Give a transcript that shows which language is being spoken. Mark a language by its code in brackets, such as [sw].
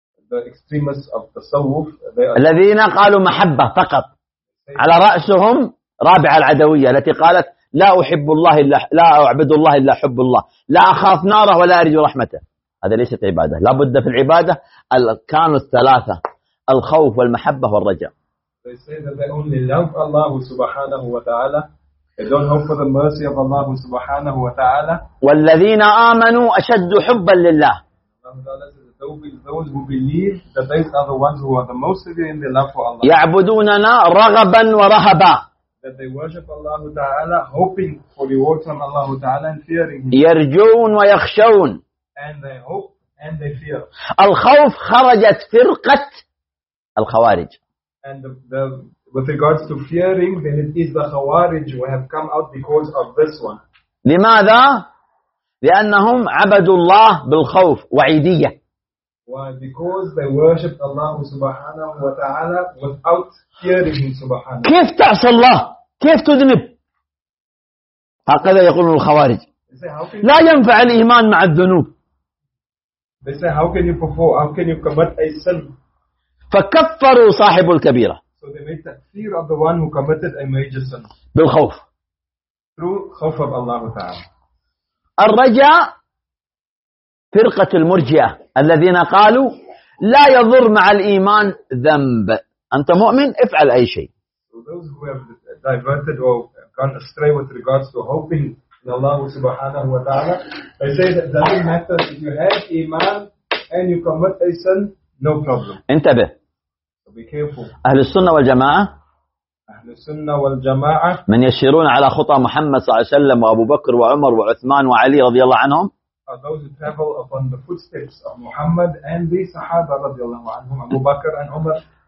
[en] The extremists of tasawwuf. [ar] الذين قالوا محبة فقط. على رأسهم رابعة العدوية التي قالت لا أحب الله إلا لا أعبد الله إلا حب الله لا أخاف ناره ولا أرجو رحمته. هذا ليست عبادة. لابد في العبادة الأركان الثلاثة الخوف والمحبة والرجاء. [en] The They say that they only love Allah subhanahu wa ta'ala. They don't hope for the mercy of Allah subhanahu wa ta'ala. [ar] وَالَّذِينَ آمَنُوا أَشَدُّ حُبًّا لِلَّهِ. [en] Those who believe that they are the ones who are the most severe in their love for Allah. [ar] يَعْبُدُونَنَا رَغَبًا وَرَهَبًا. [en] That they worship Allah ta'ala, hoping for reward from Allah ta'ala and fearing Him. [ar] يرجون ويخشون. [en] And they hope and they fear. [ar] الخوف خرجت فرقة الخوارج. [en] And with regards to fearing, then it is the Khawarij who have come out because of this one. [ar] لماذا؟ لأنهم عبدوا الله بالخوف وعيدية. [en] Why? Because they worship Allah subhanahu wa ta'ala without fearing Him subhanahu. [ar] كيف تعصي الله؟ كيف تذنب؟ هكذا يقول الخوارج. لا ينفع الإيمان مع الذنوب. [en] They say, how can you perform? How can you commit a sin? [ar] فكفروا صاحب الكبيرة. [en] So they made takfir of the one who committed a major sin. [ar] بالخوف. [en] Through خوف of Allah ta'ala. [ar] الرجاء فرقة المرجئة الذين قالوا لا يضر مع الإيمان ذنب. أنت مؤمن افعل أي شيء. [en] So those who have diverted or gone astray with regards to hoping in Allah subhanahu wa ta'ala, they say that doesn't matter if you have iman and you commit a sin, no problem. [ar] انتبه. [en] So be careful. [ar] أهل السنة والجماعة. أهل السنة والجماعة. من يسيرون على خطى محمد صلى الله عليه وسلم وأبو بكر وعمر وعثمان وعلي رضي الله عنهم. [en] Are those who travel upon the footsteps of Muhammad and the Sahaba [ar] رضي الله عنهم [en] Abu Bakr and Umar.